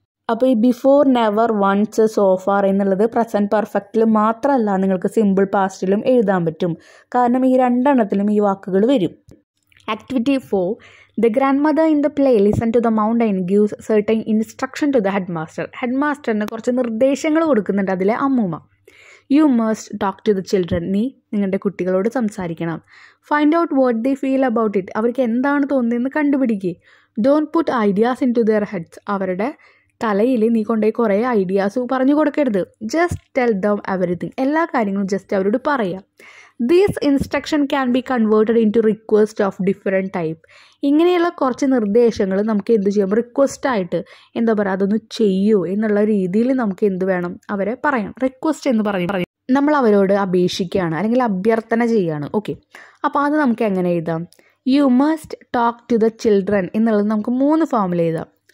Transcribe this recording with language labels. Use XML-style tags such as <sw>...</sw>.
<ml>അപ്പോൾ ഈ before, never, once, so far എന്നുള്ളത് പ്രസൻറ്റ് പെർഫെക്റ്റിൽ മാത്രമല്ല, നിങ്ങൾക്ക് സിമ്പിൾ പാസ്റ്റിലും എഴുതാൻ പറ്റും. കാരണം ഈ രണ്ടെണ്ണത്തിലും ഈ വാക്കുകൾ വരും. Activity 4.</ml> <en>The grandmother in the play listen to the mountain gives certain instruction to the headmaster.</en> <ml>Head മാസ്റ്ററിന് കുറച്ച് നിർദ്ദേശങ്ങൾ കൊടുക്കുന്നുണ്ട് അതിലെ അമ്മൂമ്മ.</ml> <en>You must talk to the children.</en> <ml>നീ നിങ്ങളുടെ കുട്ടികളോട് സംസാരിക്കണം.</ml> <en>Find out what they feel about it.</en> <ml>അവർക്ക് എന്താണ് തോന്നിയെന്ന് കണ്ടുപിടിക്കുക.</ml> <en>Don't put ideas into their heads.</en> <ml>അവരുടെ തലയിൽ നീ കൊണ്ടുപോയി കുറേ ഐഡിയാസ് പറഞ്ഞു കൊടുക്കരുത്.</ml> <en>Just tell them everything.</en> <ml>എല്ലാ കാര്യങ്ങളും ജസ്റ്റ് അവരോട് പറയുക.</ml> <en>This instruction can be converted into request of different type.</en> <ml>ഇങ്ങനെയുള്ള കുറച്ച് നിർദ്ദേശങ്ങൾ നമുക്ക് എന്ത് ചെയ്യാം? റിക്വസ്റ്റ് ആയിട്ട്, എന്താ പറയുക, അതൊന്ന് ചെയ്യൂ എന്നുള്ള രീതിയിൽ നമുക്ക് എന്ത് വേണം? അവരെ പറയാം. റിക്വസ്റ്റ് എന്ന് പറയും. നമ്മൾ അവരോട് അപേക്ഷിക്കുകയാണ് അല്ലെങ്കിൽ അഭ്യർത്ഥന ചെയ്യുകയാണ്. ഓക്കെ, അപ്പോൾ അത് നമുക്ക് എങ്ങനെ എഴുതാം?</ml> <en>you must talk to the children</en> <ml>എന്നുള്ളത് നമുക്ക് മൂന്ന് ഫോമിൽ എഴുതാം.</ml>